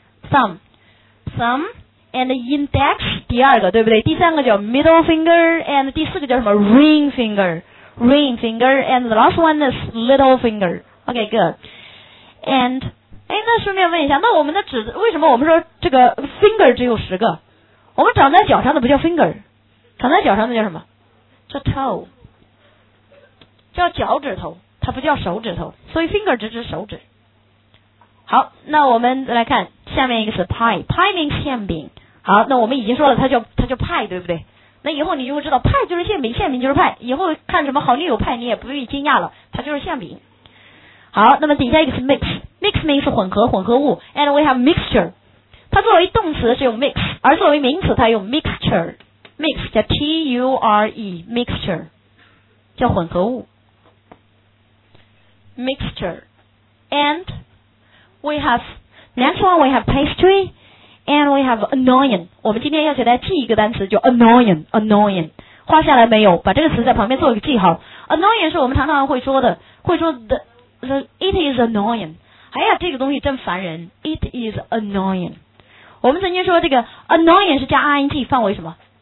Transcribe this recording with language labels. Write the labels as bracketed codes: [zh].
[en] thumb, thumb and index, [zh] 第二个，对不对？第三个叫 middle finger and 第四个叫什么？ [en] ring finger, and the last one is little finger. OK, good. [zh] And, 哎，那顺便问一下，那我们的指，为什么我们说这个 finger 只有十个？我们长在脚上的不叫 finger, 长在脚上的叫什么？叫 toe, 叫脚趾头，它不叫手指头，所以 finger 只指手指。好，那我们来看下面一个是 pie means 馅饼。好，那我们已经说了它叫 pie, 对不对？那以后你就会知道派就是馅饼，馅饼就是派，以后看什么好女友派你也不必惊讶了，它就是馅饼。好，那么底下一个是 mix means 混合混合物。 [en] and we have mixture, [zh] 它作为动词是用 mix, 而作为名词它用 mixture, mix 叫 T-U-R-E, mixture 叫混合物。 mixture. [en] And we have, next one we have pastry, and we have annoying. [zh] 我们今天要学的记一个单词就 annoying, annoying. 画下来没有，把这个词在旁边做一个记号。 Annoying 是我们常常会说的，会说 [en] it is annoying. [zh] 哎呀，这个东西真烦人。 [en] It is annoying. [zh] 我们曾经说这个 annoying 是加 ing, 范围什么？